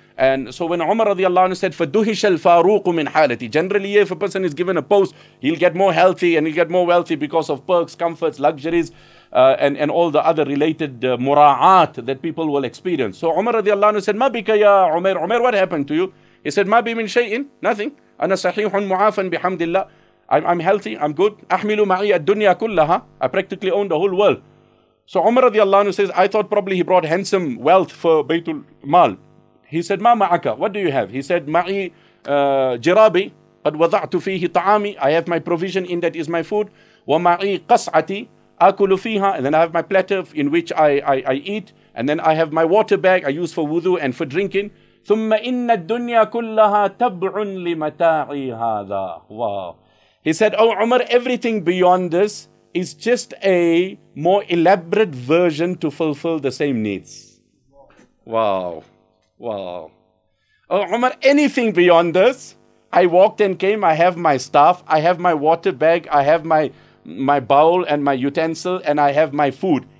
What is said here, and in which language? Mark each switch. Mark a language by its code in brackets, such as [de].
[en] And so when Umar radiallahu anhu said, [ar] فَدُهِشَ الْفَارُوقُ مِنْ حَالَتِي [en] Generally, if a person is given a post, he'll get more healthy and he'll get more wealthy because of perks, comforts, luxuries, and all the other related mura'at that people will experience. So Umar radiallahu anhu said, [ar] مَا بِكَ يَا [en] Umar? Umar, what happened to you? He said, [ar] مَا بِي مِنْ شَيْءٍ [en] Nothing. [ar] أَنَا صَحِيحٌ مُعَافًا بِحَمْدِ اللَّهِ [en] I'm healthy, I'm good. [ar] أَحْمِلُ مَعِيَ الدُّنْيَا كُلَّهَا [en] I practically own the whole world. So Umar radiallahu anhu says, I thought probably he brought handsome wealth for Baytul Mal. He said, [ar] مَا مَعَكَ? [en] What do you have? He said, [ar] مَعِي جِرَابِي قَدْ وَضَعْتُ فِيهِ طَعَامِي [en] I have my provision in that is my food. [ar] وَمَعِي قَسْعَتِي أَكُلُ فِيهَا [en] And then I have my platter in which I eat. And then I have my water bag I use for wudu and for drinking. [ar] ثُمَّ إِنَّ الدُّنْيَا كُلَّهَا تَبْعٌ لِمَتَاعِي هَذَا [en] Wow. He said, oh Umar, everything beyond this is just a more elaborate version to fulfill the same needs. Wow. Wow. Oh, Umar, anything beyond this? I walked and came, I have my staff, I have my water bag, I have my bowl and my utensil, and I have my food.